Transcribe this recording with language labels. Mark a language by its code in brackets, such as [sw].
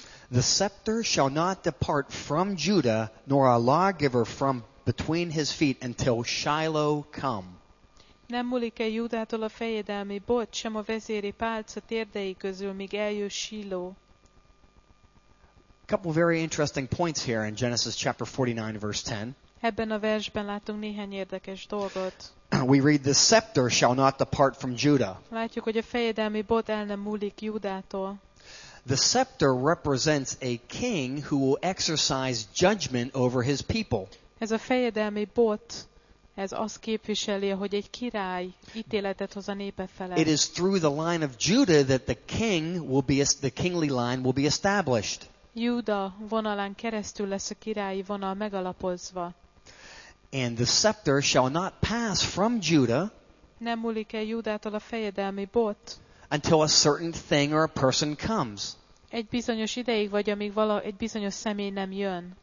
[en] The scepter shall not depart from Judah, nor a lawgiver from between his feet until Shiloh come. [hu] Nem múlik el Júdától a fejedelmi bot, sem a vezéri pálca térdei közül, míg eljöjj Shiloh. [en] Couple very interesting points here in Genesis chapter 49, verse 10. [hu] Ebben a versben látunk néhány érdekes dolgot. [en] We read, the scepter shall not depart from Judah. [hu] Látjuk, hogy a fejedelmi bot el nem múlik Júdától. [en] The scepter represents a king who will exercise judgment over his people. [hu] Ez a fejedelmi bot, ez azt képviseli, hogy egy király ítéletet hoz a népe felett. [en] It is through the line of Judah that the kingly line will be established. [hu] Júda vonalán keresztül lesz a királyi vonal megalapozva. [en] And the scepter shall not pass from Judah. [hu] Nem múlik el Júdától a fejedelmi bot. [en] Until a certain thing or a person comes. [hu] Egy bizonyos ideig vagy, amíg egy bizonyos személy nem jön.